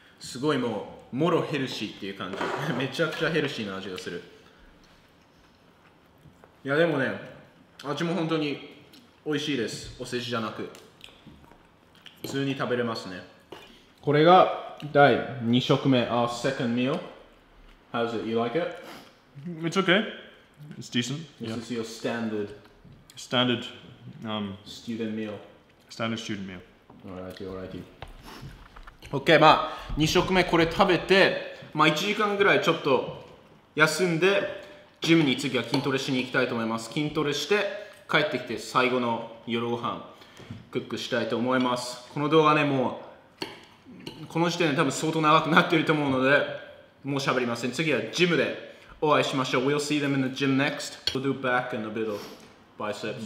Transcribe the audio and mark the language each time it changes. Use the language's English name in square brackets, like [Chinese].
[Japanese] すごいもうもろヘルシーっていう感じめちゃくちゃヘルシーな味がするいやでもね味も本当に美味しいですお世辞じゃなく普通に食べれますねこれが第2食目 [English] Our second meal How's it? You like it? It's okay It's decent This、yeah. is your standard Standard、 Student meal Standard student meal Alrighty, alrighty [Japanese] OK, まあ2食目これ食べて、まあ1時間ぐらいちょっと休んで、ジムに次は筋トレしに行きたいと思います。筋トレして帰ってきて最後の夜ご飯クックしたいと思います。この動画ね、もうこの時点で多分相当長くなっていると思うので、もう喋りません。次はジムでお会いしましょう。 [English] We'll see them in the gym next. We'll do back and a bit of biceps.